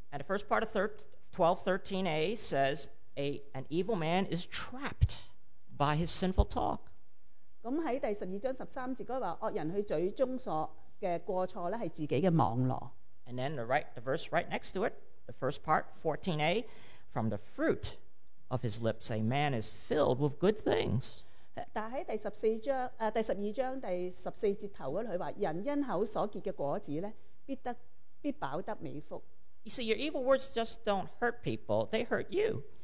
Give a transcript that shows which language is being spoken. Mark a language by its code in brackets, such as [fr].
[en] And the first part of 12:13a says an evil man is trapped by his sinful talk. [yue] 咁喺第十二章十三節嗰度話，惡人去嘴中所嘅過錯咧，係自己嘅網羅。 [en] And then the verse right next to it, the first part, 14a, from the fruit of his lips, a man is filled with good things. [yue] 但喺第十二章第十四節頭嗰度，佢話人因口所結嘅果子咧，必飽得美福。 [en] You see, your evil words just don't hurt people, they hurt you.